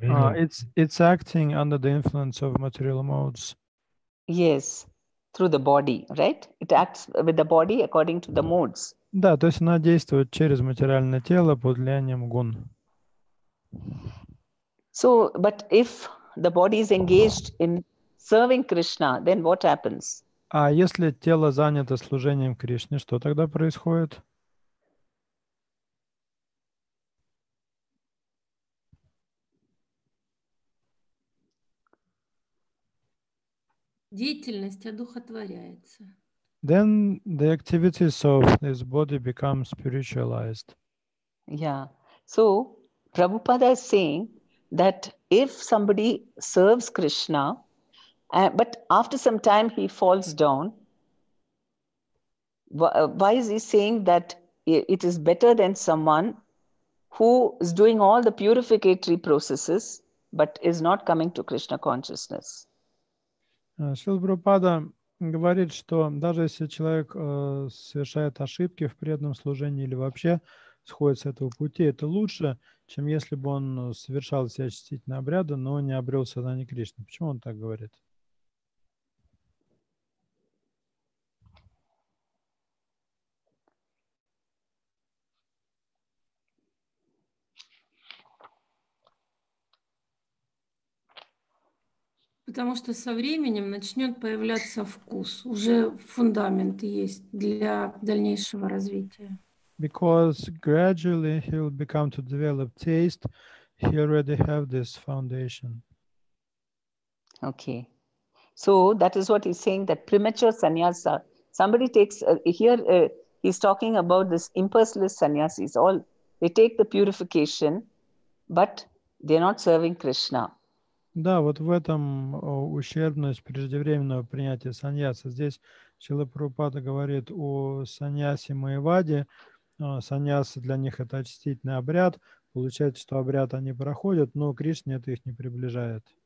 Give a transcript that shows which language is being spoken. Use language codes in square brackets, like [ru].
[en] It's acting under the influence of material modes. Yes, through the body, right? It acts with the body according to the modes. [ru] Да, то есть она действует через материальное тело под влиянием гун. [en] So, but if the body is engaged in serving Krishna, then what happens? [ru] А если тело занято служением Кришне, что тогда происходит? Деятельность одухотворяется. [en] Then the activities of this body become spiritualized. Yeah. So, Prabhupada is saying that if somebody serves Krishna, but after some time he falls down, why is he saying that it is better than someone who is doing all the purificatory processes but is not coming to Krishna consciousness? [ru] Шрила Прабхупада говорит, что даже если человек совершает ошибки в преданном служении или вообще сходит с этого пути, это лучше, чем если бы он совершал все очистительные обряды, но не обрел сознание Кришны. Почему он так говорит? Потому Потому что со временем начнет появляться вкус. Уже фундамент есть для дальнейшего развития. [en] Because gradually he'll become to develop taste, he already have this foundation. Okay. So that is what he's saying, that premature sannyasa. Somebody takes, he's talking about this impersonalist sannyasis. All, they take the purification, but they're not serving Krishna. [ru] Да, вот в этом ущербность преждевременного принятия саньяса. Здесь Шрила Прабхупада говорит о саньясе Майяваде. Саньяса для них это очистительный обряд. Получается, что обряд они проходят, но Кришне это их не приближает.